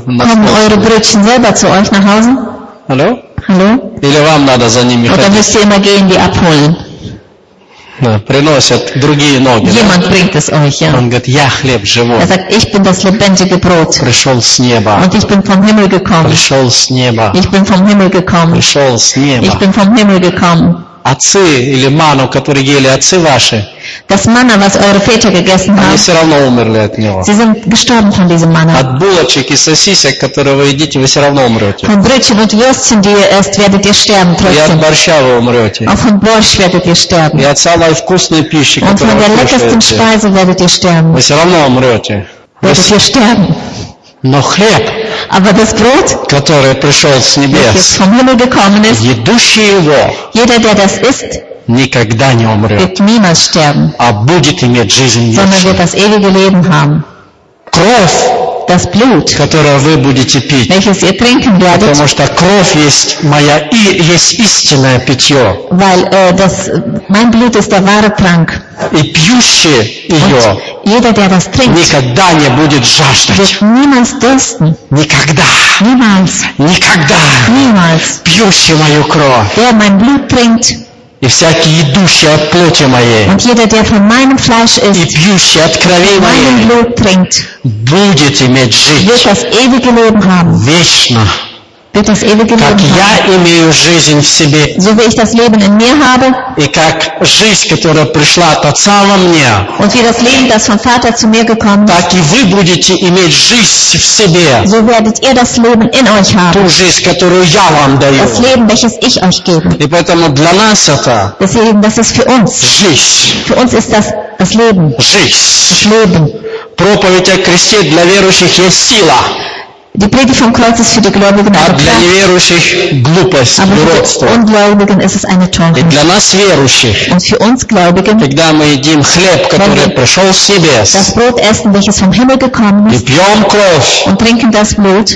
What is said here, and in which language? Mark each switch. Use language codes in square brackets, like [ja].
[de] Kommen eure Brötchen selber zu euch nach Hause? Hallo? Hallo? [ru] Или вам надо за ними ходить? [de] Oder müsst ihr immer gehen, die abholen? [ru] Да, приносят другие ноги. [de] Jemand да? Bringt es euch, ja. [ru] Он говорит, я хлеб живой. [de] Er sagt, ich bin das lebendige Brot. [ru] Пришел с неба. [de] Und ich bin vom Himmel gekommen. [ru] Пришел с неба. [de] Ich bin vom Himmel gekommen. [ru] Пришел с неба. [de] Ich bin vom Himmel gekommen. [ru] Отцы или ману, которые ели отцы ваши, [de] das Manna, was eure Väter gegessen [ru] они [de] haben, [ru] все равно умерли от него. [de] Sie sind gestorben von diesem Manna. [ru] От булочек и сосисек, которые вы едите, вы все равно умрете. [de] Von Brötchen und Würstchen, die ihr esst, werdet ihr sterben trotzdem. [ru] И от борща вы умрете. [de] Auch von Borscht werdet ihr sterben. [ru] И от самой вкусной пищи, которую вы кушаете. [de] Und von der leckersten Speise werdet ihr sterben. [ru] Вы все равно умрете. [de] Werdet ihr sterben. [ru] Но хлеб, [de] aber das Brot, [ru] который пришел с небес, [de] ist, [ru] едущий его, [de] jeder, der das ist, [ru] никогда не умрет, [de] wird niemals sterben, [ru] а будет иметь жизнь вечную, [de] sondern wird das ewige Leben haben. [ru] Кровь, [de] das Blut, [ru] которое вы будете пить, [de] welches ihr trinken werdet, [ru] потому что кровь есть моя и есть истинное питье, [de] weil, das, mein Blut ist der wahre Trank. [ru] И пьющий ее, [de] jeder, der das trinkt, [ru] никогда не будет жаждать. Никогда. [de] Niemals. [ru] Никогда. [de] Niemals. [ru] Пьющий мою кровь. [de] Der mein Blut trinkt. [ru] И всякий, идущий от плоти моей. [de] Und jeder, der von meinem Fleisch ist, [ru] и пьющий от крови моей. [de] Blut trinkt, [ru] будет иметь жизнь. [de] Wird das ewige Leben haben. [ru] Вечно. [de] Wird das ewige Leben [ru] как [de] haben. [ru] Я имею жизнь в себе. [de] So wie ich das Leben in mir habe. [ru] И как жизнь, которая пришла от Отца во мне. [de] Und wie das Leben, das vom Vater zu mir gekommen ist. [ru] Так и вы будете иметь жизнь в себе. [de] So werdet ihr das Leben in euch haben. [ru] Ту жизнь, которую я вам даю. [de] Das Leben, welches ich euch gebe. [ru] И поэтому для нас это. [de] Deswegen, das ist für uns. [ru] Жизнь. [de] Für uns ist das Leben. [ru] Жизнь. [de] Das Leben. [ru] Проповедь о кресте для верующих есть сила. [de] Die Predigt vom Kreuz ist für die Gläubigen eine Glupost, aber für die Ungläubigen ist es eine Torheit. Und für uns Gläubigen, wenn wir das Brot essen, welches vom Himmel gekommen ist, [ru] кровь, [de] und trinken das Blut,